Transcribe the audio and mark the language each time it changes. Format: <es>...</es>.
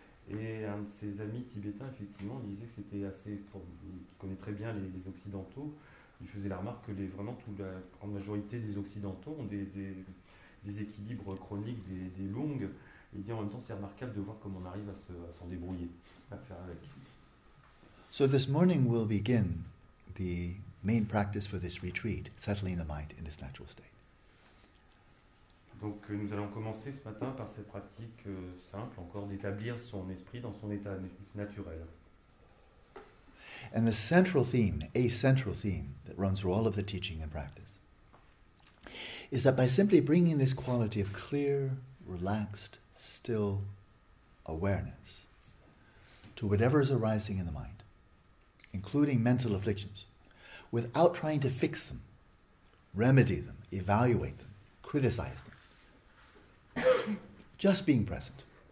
<fr>Et un de ses amis tibétains, effectivement, disait que c'était assez extraordinaire, qui connaît très bien les occidentaux. Il faisait la remarque que la grande majorité des Occidentaux ont des équilibres chroniques, des lungs. Et en même temps, c'est remarquable de voir comment on arrive à s'en débrouiller, à faire avec.</fr> <en>So this morning we'll begin the main practice for this retreat, settling the mind in its natural state.</en> <fr>Donc nous allons commencer ce matin par cette pratique simple, encore d'établir son esprit dans son état naturel.</fr> <en>And the central theme, a central theme, that runs through all of the teaching and practice, is that by simply bringing this quality of clear, relaxed, still awareness to whatever is arising in the mind, including mental afflictions, without trying to fix them, remedy them, evaluate them, criticize them, just being present,</en>